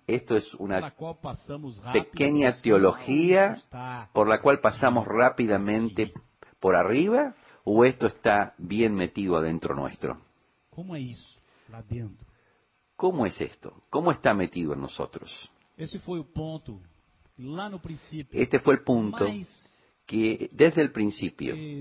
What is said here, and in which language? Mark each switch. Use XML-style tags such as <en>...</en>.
<es>Esto es una pequeña teología por la cual pasamos rápidamente por arriba, o esto está bien metido adentro nuestro.</es> <pt>Como é isso lá dentro?</pt> <es>¿Cómo es esto? ¿Cómo está metido en nosotros?</es> <pt>Esse foi o ponto lá no princípio.</pt> <es>Este fue el punto que desde el principio</es>